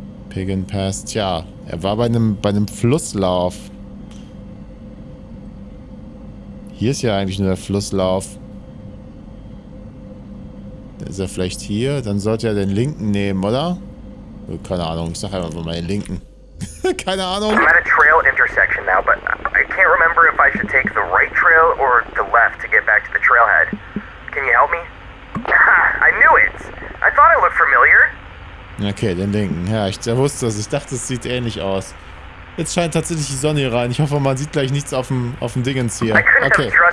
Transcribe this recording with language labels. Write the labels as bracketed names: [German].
[German] Piggin Pass. Tja, er war bei einem Flusslauf. Hier ist ja eigentlich nur der Flusslauf. Ist er vielleicht hier? Dann sollte er den linken nehmen, oder? Keine Ahnung, ich sag einfach mal den linken. Keine Ahnung. [English] I'm at a trail intersection now, but I can't remember if I should take the right trail or the left to get back to the trailhead. Can you help me? I knew it. I thought it looked familiar. [German] Okay, den linken. Ja, ich wusste es. Ich dachte, es sieht ähnlich aus. Jetzt scheint tatsächlich die Sonne hier rein. Ich hoffe, man sieht gleich nichts auf dem Dingens hier. Okay.